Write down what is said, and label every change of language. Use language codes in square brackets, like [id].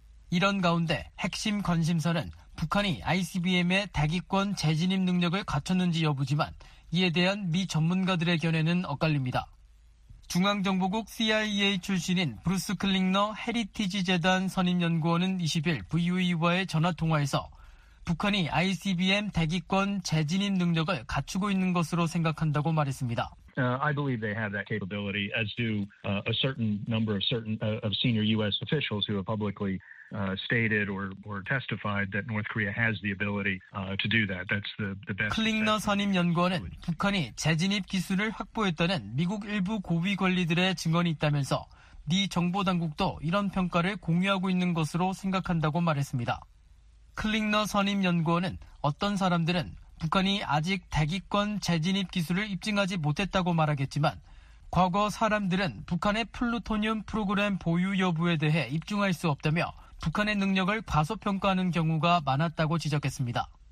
[ko] 이런 가운데 핵심 관심사는 북한이 ICBM의 대기권 재진입 능력을 갖췄는지 여부지만 이에 대한 미 전문가들의 견해는 엇갈립니다. 중앙정보국 CIA 출신인 브루스 클링너 헤리티지 재단 선임연구원은 20일 VOA와의 전화통화에서 북한이 ICBM 대기권 재진입 능력을 갖추고 있는 것으로 생각한다고 말했습니다. [en] I believe they have that capability, as do a certain number of certain of senior U.S. officials who have publicly stated or testified that North Korea has the ability to do that. That's the best. [ko] 클링너 선임 연구원은 북한이 재진입 기술을 확보했다는 미국 일부 고위 관리들의 증언이 있다면서 미 정보 당국도 이런 평가를 공유하고 있는 것으로 생각한다고 말했습니다. 클링너 선임 연구원은 어떤 사람들은 북한이 아직 대기권 재진입 기술을 입증하지 못했다고 말하겠지만 과거 사람들은 북한의 플루토늄 프로그램 보유 여부에 대해 입증할 수 없다며 북한의 능력을 과소평가하는 경우가 많았다고 지적했습니다.